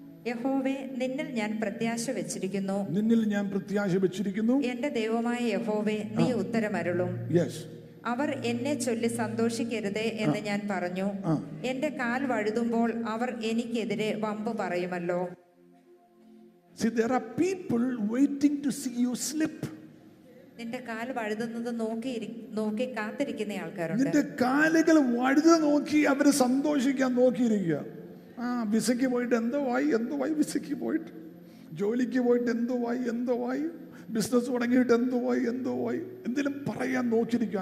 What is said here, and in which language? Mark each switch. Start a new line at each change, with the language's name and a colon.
Malayalam: യഹോവേ, നിന്നിൽ ഞാൻ പ്രത്യാശ വെച്ചിരിക്കുന്നു. നിന്നിൽ ഞാൻ പ്രത്യാശ വെച്ചിരിക്കുന്നു. എന്റെ ദൈവമായ യഹോവേ, നീ ഉത്തരമരുളും.
English: Yes.
Malayalam: അവർ എന്നെ ചൊല്ലി സന്തോഷിക്കരുതേ എന്ന് ഞാൻ പറഞ്ഞു. എന്റെ കാൽ വഴുതുമ്പോൾ അവർ എനിക്കെതിരെ വമ്പ് പറയുമല്ലോ.
English: See, there are people waiting to see you slip.
Malayalam: നിന്റെ കാൽ വഴുതുന്നത് നോക്കി കാത്തിരിക്കുന്ന ആൾക്കാരുണ്ട്. നിന്റെ കാലുകൾ വഴുത് നോക്കി അവര് സന്തോഷിക്കാൻ നോക്കിയിരിക്കുക. വിസയ്ക്ക് പോയിട്ട് എന്തോ ആയി വിസയ്ക്ക് പോയിട്ട്, ജോലിക്ക് പോയിട്ട് എന്തോ ആയി ബിസിനസ് തുടങ്ങിയിട്ട് എന്തോ ആയി എന്തെങ്കിലും പറയാൻ നോക്കിയിരിക്കുക.